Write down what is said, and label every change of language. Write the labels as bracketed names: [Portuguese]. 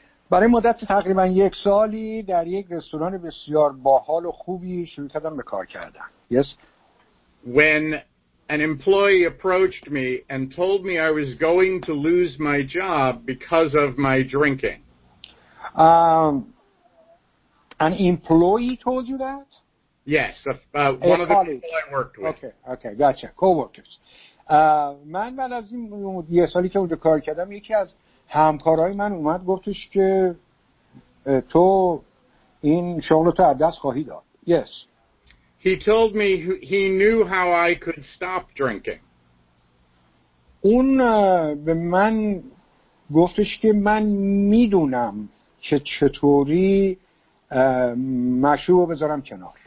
[Persian] برای مدت تقریبا یک سالی در یک رستوران بسیار باحال و خوبی شروع کردم به کار کردن. [English] Yes. When an employee approached me and told me I was going to lose my job because of my drinking. An employee told you that? Yes, one of the people I worked with. Okay, gotcha. Co-workers. [Persian] من بعد از این یه سالی که اونجا کار کردم، یکی از همکارای من اومد گفتش که تو این شغل تو از دست خواهی داد. [English] Yes. He told me he knew how I could stop drinking. [Persian] اون به من گفتش که من میدونم که چطوری مشروب رو بذارم کنار.